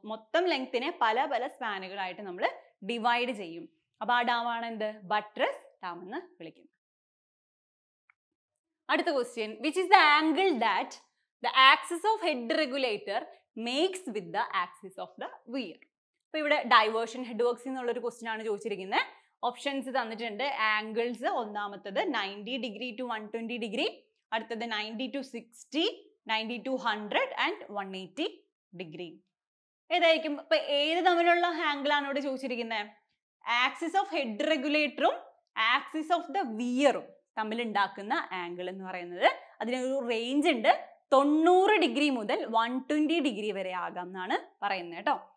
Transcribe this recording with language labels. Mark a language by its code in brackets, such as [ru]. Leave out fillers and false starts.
[ml] മൊത്തം ലെങ്തിനെ പല പല സ്പാനുകളായിട്ട് നമ്മൾ ഡിവൈഡ് ചെയ്യും. അപ്പൊ ആ ഡാമാണ് എന്ത്? ബട്രസ് ഡാം എന്ന് വിളിക്കുന്നത്. [en] അടുത്ത question, which is the angle that the axis of head regulator makes with the axis of the weir. [ml] അപ്പൊ ഇവിടെ ഡൈവേർഷൻ ഹെഡ് വർക്ക്സ് എന്നുള്ളൊരു ക്വസ്റ്റ്യൻ ആണ് ചോദിച്ചിരിക്കുന്നത്. ഓപ്ഷൻസ് തന്നിട്ടുണ്ട്. ആംഗിൾസ് ഒന്നാമത്തത് 90° to 120°, അടുത്തത് 90° to 60°, 90° to 100° and 180°. ഏതായിരിക്കും? ഇപ്പൊ ഏത് തമ്മിലുള്ള ആംഗിൾ ആണ് ഇവിടെ ചോദിച്ചിരിക്കുന്നത്? Axis of head റെഗുലേറ്ററും axis of the വിയറും തമ്മിൽ ഉണ്ടാക്കുന്ന ആംഗിൾ എന്ന് പറയുന്നത്, അതിനൊരു റേഞ്ച് ഉണ്ട്, 90° to 120° വരെ ആകാം എന്നാണ് പറയുന്നത് കേട്ടോ.